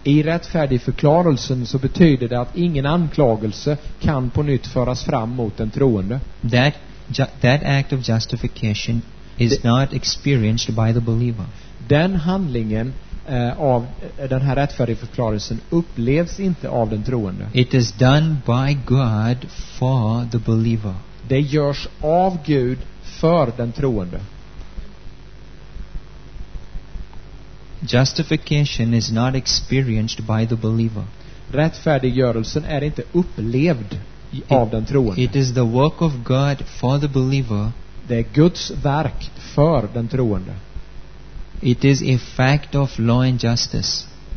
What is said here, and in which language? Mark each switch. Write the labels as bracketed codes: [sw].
[sv] I rättfärdigförklarelsen så betyder det att ingen anklagelse kan på nytt föras fram mot den troende. [en] That act of justification is not experienced by the believer. [sv] Den handlingen av den här rättfärdigförklarelsen upplevs inte av den troende. [en] It is done by God for the believer. [sv] Det görs av Gud för den troende. [en] Justification is not experienced by the believer. [sv] Rättfärdiggörelsen är inte upplevd av den troende. [en] It is the work of God for the believer. [sv] Det är Guds verk för den troende. [en] It is a fact of law and justice.